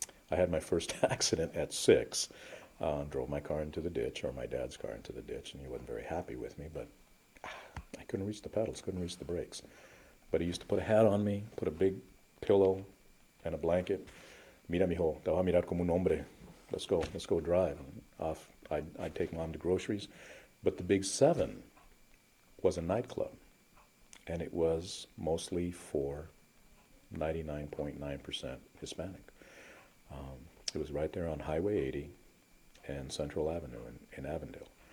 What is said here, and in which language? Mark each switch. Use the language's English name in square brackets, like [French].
[English] I had my first accident at 6. Drove my car into the ditch, or my dad's car into the ditch, and he wasn't very happy with me, but I couldn't reach the pedals, couldn't reach the brakes. But he used to put a hat on me, put a big pillow and a blanket. [Spanish] Mira, mijo, te va a mirar como un hombre. [English] Let's go drive. And off, I'd take mom to groceries. But the Big Seven was a nightclub, and it was mostly for 99.9% Hispanic. It was right there on Highway 80 and Central Avenue in Avondale.